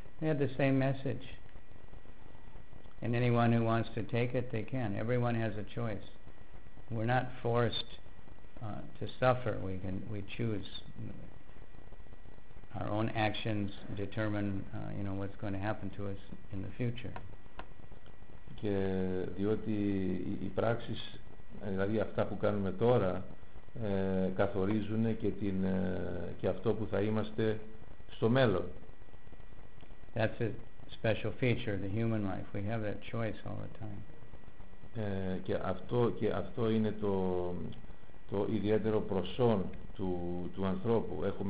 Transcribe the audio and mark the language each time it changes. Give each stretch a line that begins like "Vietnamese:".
English: They have the same message. And anyone who wants to take it, they can. Everyone has a choice. We're not forced to suffer. We choose. Our own actions determine, you know, what's going to happen to us in the future.
Greek: Και διότι οι πράξεις, δηλαδή αυτά που κάνουμε τώρα, καθορίζουν και και αυτό που θα είμαστε στο μέλλον.
English: That's a special feature, the human life. We have that choice all the time.
Greek: Και αυτό είναι το ιδιαίτερο προσόν του ανθρώπου.